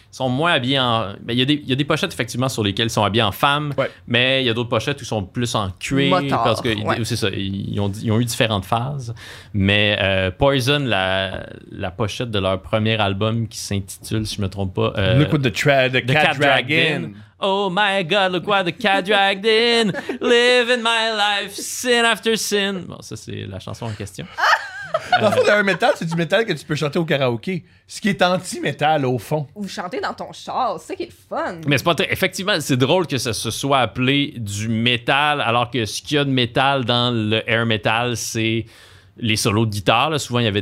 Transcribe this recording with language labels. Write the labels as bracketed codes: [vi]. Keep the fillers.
[fr] sont moins habillés en. Ben, il, y a des, il y, a des pochettes, effectivement, sur lesquelles ils sont habillés en femme, ouais. Mais il y a d'autres pochettes où ils sont plus en cuir. Motor. parce que ouais. c'est ça, ils ont, ils ont eu différentes phases. Mais euh, Poison, la, la pochette de leur premier album qui s'intitule, si je ne me trompe pas. [en] Euh, Look at the, tra- the, the, Cat, cat dragon. dragon. Oh my god, look what the cat dragged in. Living my life, sin after sin. [fr] Bon, ça, c'est la chanson en question. euh, dans le fond, l'air metal, c'est du métal que tu peux chanter au karaoké. Ce qui est anti-métal, au fond. Vous chantez dans ton char, c'est ça qui est fun. Mais c'est pas très, Effectivement, c'est drôle que ça se soit appelé du métal, alors que ce qu'il y a de métal dans le air metal, c'est les solos de guitare. Là. Souvent, il y avait.